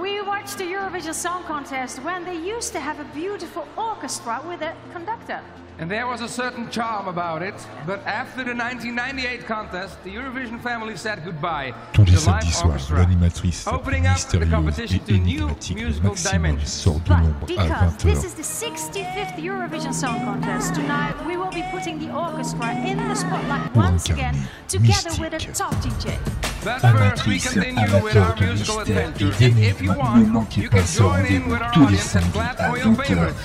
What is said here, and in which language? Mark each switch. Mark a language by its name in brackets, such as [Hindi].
[English] We watched the Eurovision Song Contest when they used to have a beautiful orchestra with a conductor. And there was a certain charm about it. But after the 1998 contest, the Eurovision family said goodbye. [French] Tous les samedis soirs, l'animatrice mystérieuse et énigmatique Maximum sort de l'ombre à 20h. [English] This is the 65th Eurovision Song Contest. Tonight, we will be putting the orchestra in the spotlight once again, together with a top DJ. [French] Amatrice et amateur de mystère et d'énigme, ne manquez pas ce rendez-vous tous les samedis à 20h.